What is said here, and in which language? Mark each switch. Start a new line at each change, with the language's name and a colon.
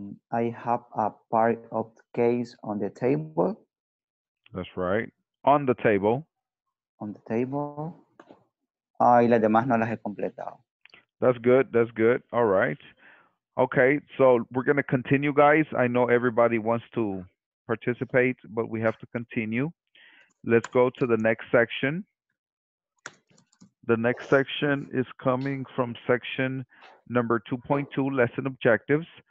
English: I have a pair of keys on the table. That's right. On the table. On the table.
Spanish: Ah, y las demás no las he completado.
English: That's good. That's good. All right. Okay. So we're going to continue, guys. I know everybody wants to participate, but we have to continue. Let's go to the next section. The next section is coming from section number 2.2, lesson objectives.